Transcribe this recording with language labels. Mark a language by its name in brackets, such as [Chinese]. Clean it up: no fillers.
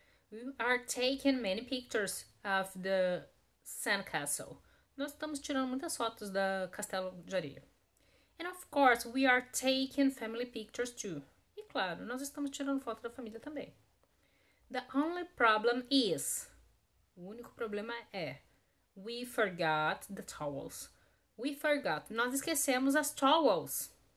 [English] We are taking many pictures of the sandcastle. [Portuguese] Nós estamos tirando muitas fotos do castelo de areia. [English] And of course, we are taking family pictures too. [Portuguese] E claro, nós estamos tirando foto da família também. [English] The only problem is. [Portuguese] O único problema é. [English] We forgot the towels. We forgot. [Portuguese] Nós esquecemos as towels.